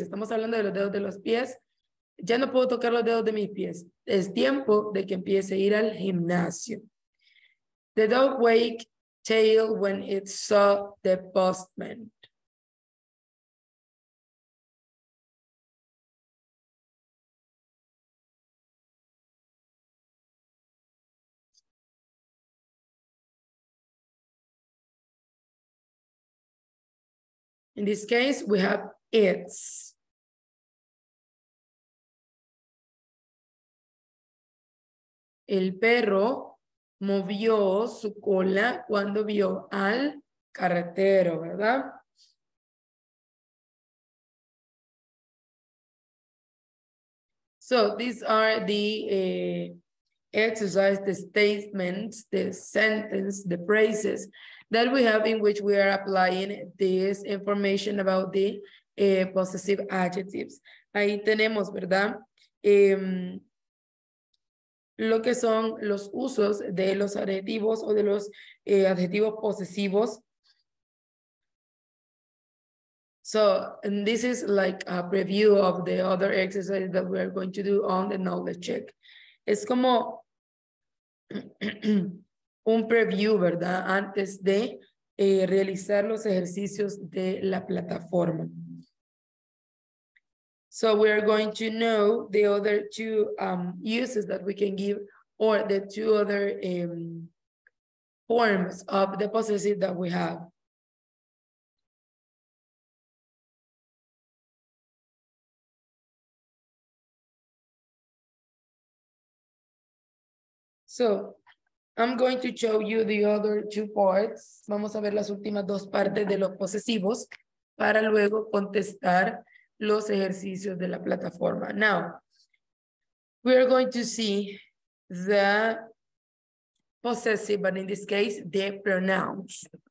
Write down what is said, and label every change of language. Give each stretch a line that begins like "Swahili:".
Spanish: Estamos hablando de los dedos de los pies. Ya no puedo tocar los dedos de mis pies. Es tiempo de que empiece a ir al gimnasio.
English: The dog wagged tail when it saw the postman. In this case, we have it's.
Spanish: El perro movió su cola cuando vio al carretero, ¿verdad?
English: So these are the exercise, the statements, the sentence, the phrases that we have in which we are applying this information about the possessive adjectives.
Spanish: Ahí tenemos, ¿verdad? Lo que son los usos de los adjetivos o de los adjetivos posesivos.
English: So, and this is like a preview of the other exercise that we are going to do on the knowledge check.
Spanish: Es como un preview, ¿verdad? Antes de realizar los ejercicios de la plataforma.
English: So we are going to know the other two uses that we can give, or the two other forms of the possessive that we have. So I'm going to show you the other two parts.
Spanish: Vamos a ver las últimas dos partes de los posesivos para luego contestar los ejercicios de la plataforma.
English: Now, we are going to see the possessive, but in this case, the pronouns.